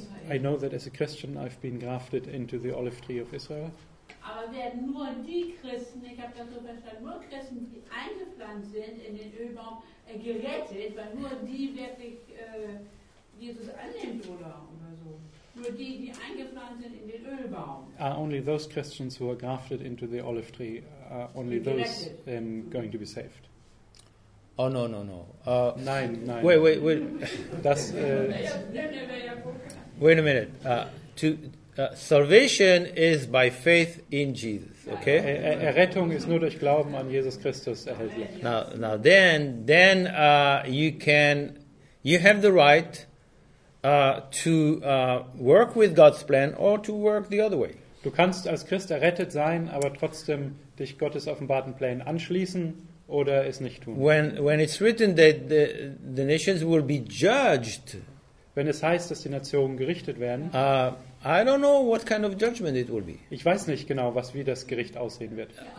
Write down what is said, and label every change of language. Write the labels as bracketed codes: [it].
[en] I know that as a Christian I've been grafted into the olive tree of Israel. [de] Aber werden nur die Christen, ich habe das so verstanden, nur Christen, die eingepflanzt sind in den Ölbaum, gerettet, weil nur die wirklich Jesus annimmt oder so. Nur die, die eingepflanzt sind in den Ölbaum. [en] Are only those Christians who are grafted into the olive tree, are only those going to be saved? Oh, no, no, no. [de] Nein. [en] Wait. [de] Das, [en] wait a minute. Salvation is by faith in Jesus. Okay. [de] Errettung ist nur durch Glauben an Jesus Christus erhältlich. [en] Now you have the right to work with God's plan or to work the other way. [de] Du kannst als Christ errettet sein, aber trotzdem dich Gottes offenbarten Plänen anschließen oder es nicht tun. [en] When it's written that the nations will be judged. [de] Wenn es heißt, dass die Nationen gerichtet werden. [en] I don't know what kind of judgment it will be. [de] Ich weiß nicht genau, was wie das Gericht aussehen wird.